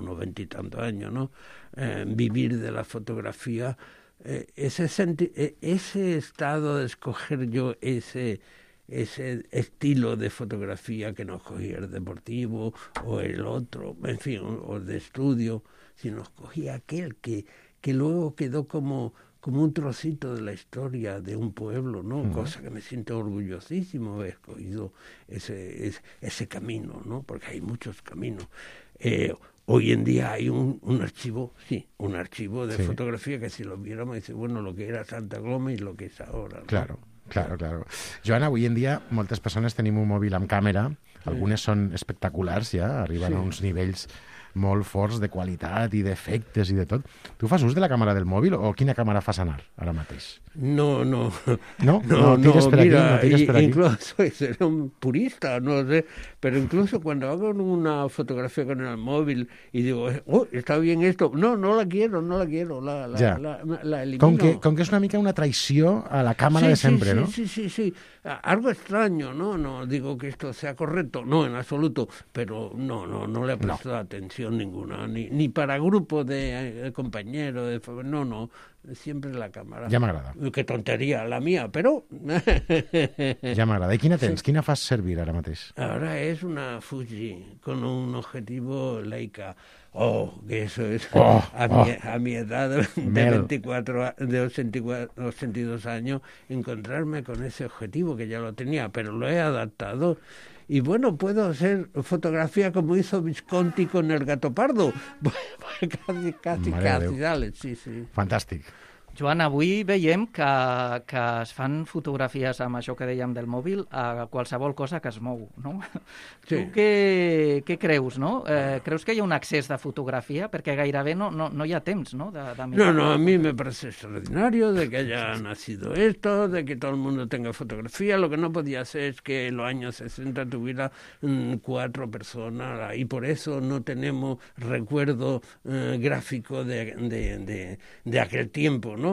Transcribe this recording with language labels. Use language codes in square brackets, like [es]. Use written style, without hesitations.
[es] 90 y tantos años, ¿no? Vivir de la fotografía, ese estado de escoger yo ese estilo de fotografía que no escogía el deportivo o el otro, en fin, o de estudio, sino escogía aquel que luego quedó como un trocito de la historia de un pueblo, ¿no? Uh-huh. Cosa que me siento orgullosísimo haber escogido ese camino, ¿no? Porque hay muchos caminos. Hoy en día hay un archivo de fotografía que si lo viéramos dice, bueno, lo que era Santa Coloma y lo que es ahora, ¿no? Claro, claro, claro. [ca] Joan, avui en dia moltes persones tenim un mòbil amb càmera, algunes són espectaculars ja, arriben a uns nivells molt forts de qualitat i d'efectes i de tot. Tu fas ús de la càmera del mòbil o quina càmera fas anar ara mateix? [es] No, mira, seré un purista, no sé, però incluso quan hago una fotografia con el mòbil i digo, està bien esto, no la quiero, la elimino. [ca] Com que és una mica una traïció a la càmera de sempre, no? [es] Sí. Algo extraño, ¿no? No digo que esto sea correcto, no, en absoluto, pero no le he prestado atención ninguna, ni para grupo de compañero, no, siempre la cámara. Ya me agrada. Qué tontería la mía, pero... Ya me agrada. ¿Y [ca] quina tens? [es] Sí. [ca] ¿Quina fas servir ara mateix? [es] Ahora es una Fuji con un objetivo Leica. Oh, que eso es a mi edad de 24, de 82 años, encontrarme con ese objetivo que ya lo tenía, pero lo he adaptado. Y bueno, puedo hacer fotografía como hizo Visconti con el gato pardo. casi, dale, sí. [ca] Fantàstic. Joan, avui veiem que es fan fotografies amb això que dèiem del mòbil a qualsevol cosa que es mou, no? Sí. Tu què creus, no? Creus que hi ha un excés de fotografia? Perquè gairebé no hi ha temps, no? [es] No, a mi me parece extraordinario de que haya nacido esto, de que todo el mundo tenga fotografía. Lo que no podía ser es que en los años 60 tuviera cuatro personas y por eso no tenemos recuerdo gráfico de aquel tiempo, ¿no?